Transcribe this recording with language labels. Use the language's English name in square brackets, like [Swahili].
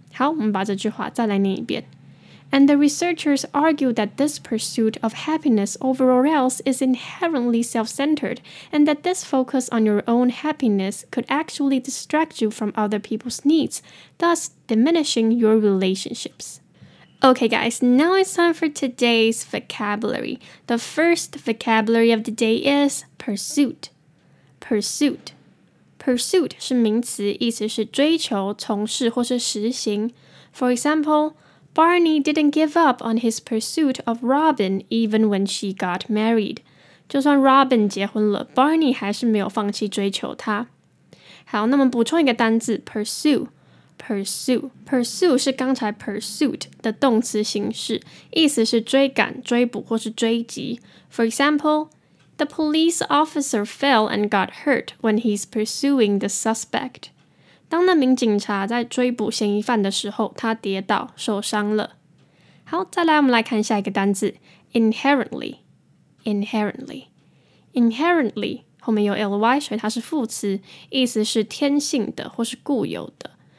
[Chinese] 好，我们把这句话再来念一遍。 [English] And the researchers argue that this pursuit of happiness overall else is inherently self-centered, and that this focus on your own happiness could actually distract you from other people's needs, thus diminishing your relationships. Okay, guys, now it's time for today's vocabulary. The first vocabulary of the day is pursuit. [Chinese] Pursuit. Pursuit 是名词，意思是追求、从事或是实行。 [English] For example, Barney didn't give up on his pursuit of Robin even when she got married. [Chinese] 就算 Robin 结婚了 ,Barney 还是没有放弃追求她。好，那么补充一个单字 ,pursue 是刚才 pursuit 的动词形式，意思是追赶、追捕或是追击。 [English] For example, the police officer fell and got hurt when he's pursuing the suspect. [Chinese] 当那名警察在追捕嫌疑犯的时候，他跌倒受伤了。好，再来我们来看下一个单字 ,inherently。 Inherently 后面有 ly， 所以它是副词，意思是天性的或是固有的。